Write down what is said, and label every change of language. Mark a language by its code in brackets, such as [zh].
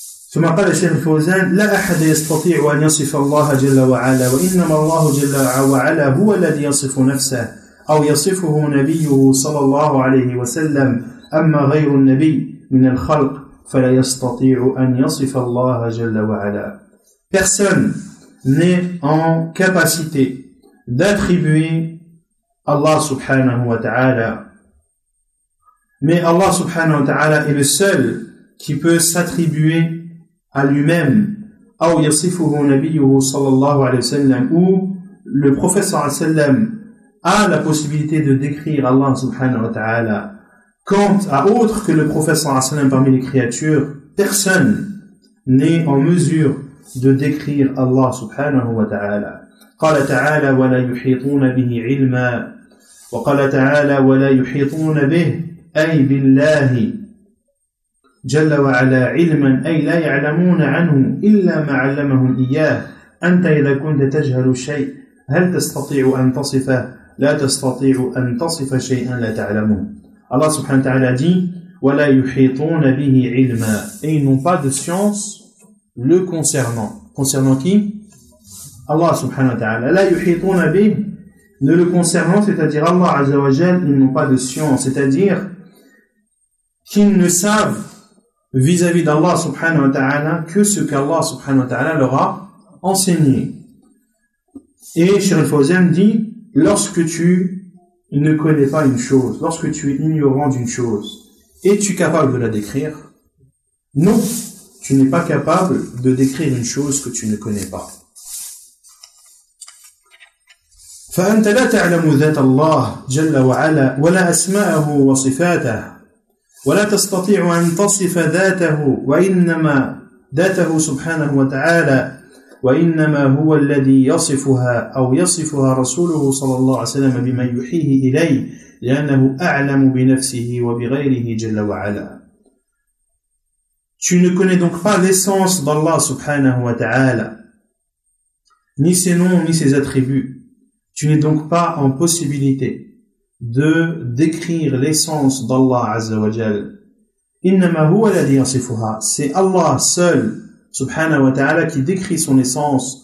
[ar] ثم قال الشيخ الفوزان لا أحد يستطيع أن يصف الله جل وعلا وإنما الله جل وعلا هو الذي يصف نفسه أو يصفه نبيه صلى الله عليه وسلم أما غير النبي من الخلق فلا يستطيع أن يصف الله جل وعلا. [fr] Personne n'est en capacité d'attribuer Allah سبحانه وتعالى. Mais Allah سبحانه وتعالى est le seul qui peut s'attribuer à lui-même, ou [ar] yasifuhu nabiyuhu [fr] sallallahu alayhi wa sallam, ou le prophète sallallahu alayhi wa sallam a la possibilité de décrire Allah subhanahu wa ta'ala. Quant à autre que le prophète sallallahu alayhi wa sallam parmi les créatures, personne n'est en mesure de décrire Allah subhanahu wa ta'ala. [ar] قال تعالى ولا يحيطون به علما وقال تعالى ولا يحيطون به أي بالله جل وعلا علما أي لا يعلمون عنه إلا ما علمهم إياه. أنت إذا كنت تجهل شيء هل تستطيع أن تصفه؟ لا تستطيع أن تصف شيئا لا تعلمه. الله سبحانه وتعالى dit ولا يحيطون به علما. [fr] Et ils n'ont pas de science le concernant. Concernant qui? الله سبحانه وتعالى. [ar] لا يحيطون به [fr] ne le concernant, c'est-à-dire Allah عز وجل, ils n'ont pas de science, c'est-à-dire qu'ils ne savent vis-à-vis d'Allah subhanahu wa ta'ala que ce qu'Allah subhanahu wa ta'ala leur a enseigné. Et Cheikh Al-Fawzan dit, lorsque tu ne connais pas une chose, lorsque tu es ignorant d'une chose, es-tu capable de la décrire? Non, tu n'es pas capable de décrire une chose que tu ne connais pas. [ar] فأنت لا تعلم ذات الله جل وعلا ولا أسماءه وصفاته ولا تستطيع أن تصف ذاته وإنما ذاته سبحانه وتعالى وإنما هو الذي يصفها أو يصفها رسوله صلى الله عليه وسلم بما يحيه إليه لأنه أعلم بنفسه وبغيره جل وعلا. [fr] Tu ne connais donc pas l'essence d'Allah subhanahu wa ta'ala, ni ses noms, ni ses attributs. Tu n'es donc pas en possibilité de décrire l'essence d'Allah Azza wa Jal. [ar] Innama huwa alladhi yasifuha. [fr] C'est Allah seul, subhanahu wa ta'ala, qui décrit son essence.